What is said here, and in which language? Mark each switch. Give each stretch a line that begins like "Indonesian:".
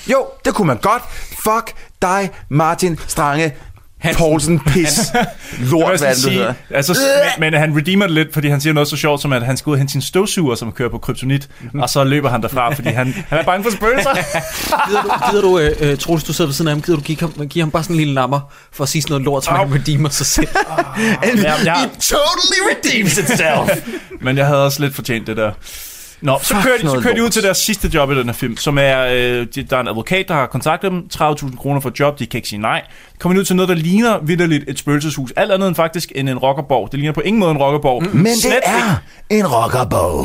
Danish: Jo, det kunne man godt. Fuck dig, Martin Strange. Poulsen pis. Lort, hvad det hedder. Altså, men han redeemer det lidt, fordi han siger noget så sjovt som, at han skal ud og hente sin støvsuger, som kører på kryptonit, og så løber han derfra, fordi han er bange for spøgelser. Gider du, Troels, du sidder ved siden af ham, gider du give ham bare sådan en lille lammer for at sige sådan noget lort, som han redeemer sig selv?
English: He totally redeems itself.
Danish: Men jeg havde også lidt fortjent det der. Nå, så kører de ud til deres sidste job i den her film, som er, der er en advokat, der har kontaktet dem, 30.000 kroner for job, de kan ikke sige nej. Kommer de ud til noget, der ligner vitterligt et spøgelseshus, alt andet end faktisk end en rockerborg. Det ligner på ingen måde en rockerborg. Men slet det er ikke en rockerborg.